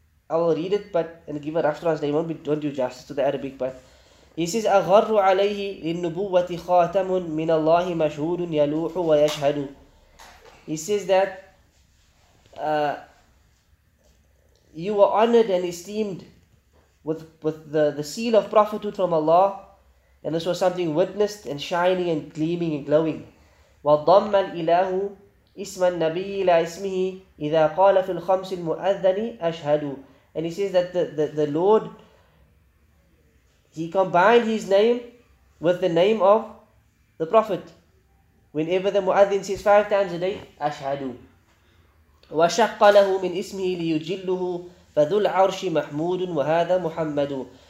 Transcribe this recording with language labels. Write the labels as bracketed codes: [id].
[en] I will read it, but and give a rough translation. They don't do justice to the Arabic, but he says, [ar] "أغر عليه للنبوة خاتم من الله مشهود يلوح ويشهد." [en] He says that you were honored and esteemed with the seal of prophethood from Allah, and this was something witnessed and shining and gleaming and glowing. [ar] وضم الإله اسم النبي إلى اسمه إذا قال في الخمس المؤذن أشهد. [en] And he says that the Lord, he combined his name with the name of the Prophet. Whenever the Mu'adhin says five times a day, Ashhadu. [ar] وَشَقَّ لَهُ مِنْ إِسْمِهِ لِيُجِلُّهُ فَذُو الْعَرْشِ مَحْمُودٌ وَهَذَا مُحَمَّدٌ.